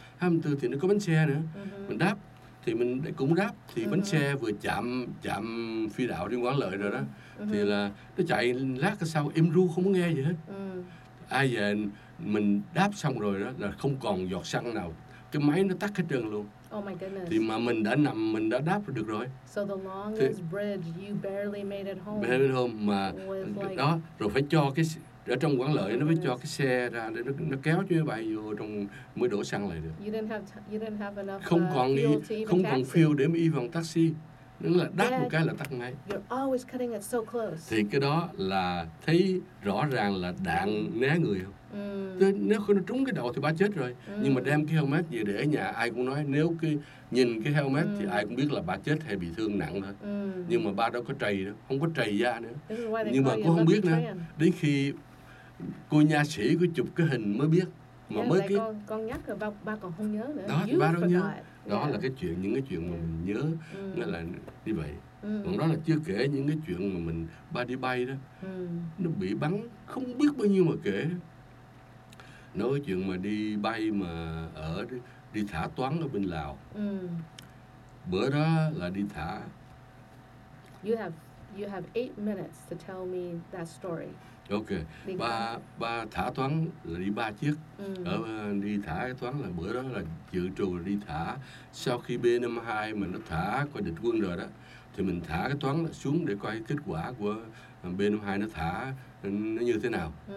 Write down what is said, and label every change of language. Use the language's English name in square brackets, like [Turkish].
[Vietnamese] H-24 thì nó có bánh xe nữa. Mình đáp thì mình cũng đáp thì bánh xe vừa chạm phi đạo trên Quảng Lợi rồi đó. Thì là nó chạy lát sau im ru không có nghe gì hết. Ai về mình đáp xong rồi đó là không còn giọt xăng nào. Cái máy nó tắt hết trơn luôn. [English] Oh my goodness. [Vietnamese] Thì mà mình đã nằm, mình đã đáp được rồi. [English] So the longest bridge, you barely made it home. Barely home mà like... [Vietnamese] đó, rồi phải cho cái ở trong Quảng Lợi nó mới cho cái xe ra để nó kéo chuyến bay vô trong mới đổ xăng lại được. [English] You didn't have enough [Vietnamese] không còn [English] fuel to even [Vietnamese] không [English] taxi. [Vietnamese] Còn fuel để mà [English] even taxi. [Vietnamese] Nên là đáp một cái là tắt ngay. [English] You're always cutting it so close. [Vietnamese] Thì cái đó là thấy rõ ràng là đạn né người không? Thế nếu nó trúng cái đầu thì ba chết rồi. Nhưng mà đem cái helmet về để ở nhà, ai cũng nói nếu cái nhìn cái helmet thì ai cũng biết là ba chết hay bị thương nặng thôi. Nhưng mà ba đâu có trầy đâu, không có trầy da nữa. Nhưng mà cũng không biết nữa. Đến khi cô nha sĩ có chụp cái hình mới biết. Mà mới cái... con nhắc rồi ba còn không nhớ nữa. Đó, ba đâu nhớ. Đó là cái chuyện, những cái chuyện mà mình nhớ nó là như vậy. Còn đó là chưa kể những cái chuyện mà mình ba đi bay đó. Nó bị bắn không biết bao nhiêu mà kể. Nói chuyện mà đi bay mà ở đi thả toán ở bên Lào. Bữa đó là đi thả. [English] You have 8 minutes to tell me that story. Ok. [Vietnamese] Ba thả toán là đi ba chiếc. Đi thả toán là bữa đó là dự trù đi thả. Sau khi B-52 mà nó thả qua địch quân rồi đó, thì mình thả cái toán xuống để coi kết quả của B-52 nó thả nó như thế nào.